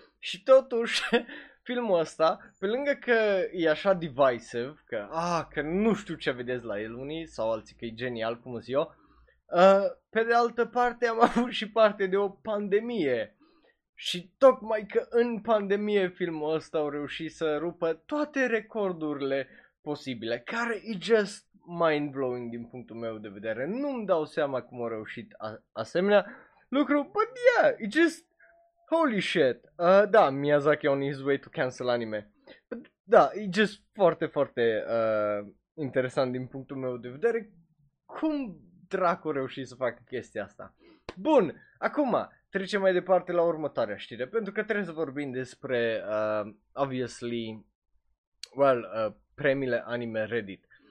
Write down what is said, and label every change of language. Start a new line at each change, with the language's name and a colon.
Romanian: Și totuși filmul ăsta, pe lângă că e așa divisive, că, că nu știu ce vedeți la el unii sau alții, că e genial, cum zic eu, pe de altă parte am avut și parte de o pandemie. Și tocmai că în pandemie filmul ăsta a reușit să rupă toate recordurile posibile, care e
English: just mind-blowing
Romanian: din punctul meu de vedere. Nu-mi dau seama cum a reușit asemenea lucru,
English: but yeah,
Romanian: e just...
English: Holy shit, da, Miyazaki on his way to cancel anime.
Romanian: Da, e just foarte, foarte interesant din punctul meu de vedere. Cum dracu reuși să facă chestia asta? Bun, acum trecem mai departe la următoarea știre, pentru că trebuie să vorbim despre, obviously, well, premiile anime Reddit.